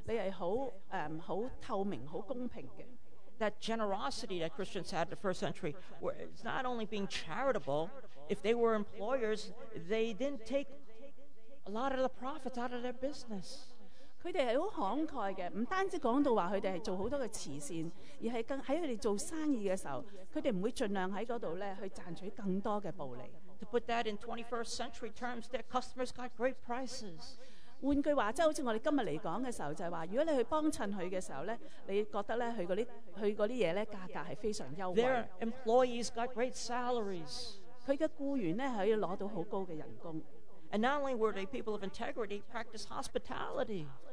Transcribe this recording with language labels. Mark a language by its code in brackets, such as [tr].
[zh] 如果你是一个正直的人的时候,你就知道你的生活是很诚实,你是很透明,很公平的。 [en] That generosity that Christians had in the first century, where it's not only being charitable, if they were employers, they didn't take a lot of the profits out of their business. [zh] 他们是很慷慨的,不单止说到他们做很多的慈善,而是在他们做生意的时候,他们不会尽量在那里去赚取更多的暴利。 [en] To put that in 21st century terms, their customers got great prices. [zh] 換句話,就像我們今天來講的時候,就是說,如果你去光顧他的時候,你覺得他的東西價格是非常優惠。 [en] Their employees got great salaries. [zh] 他的僱員可以拿到很高的薪金。 [en] And not only were they people of integrity, practice hospitality.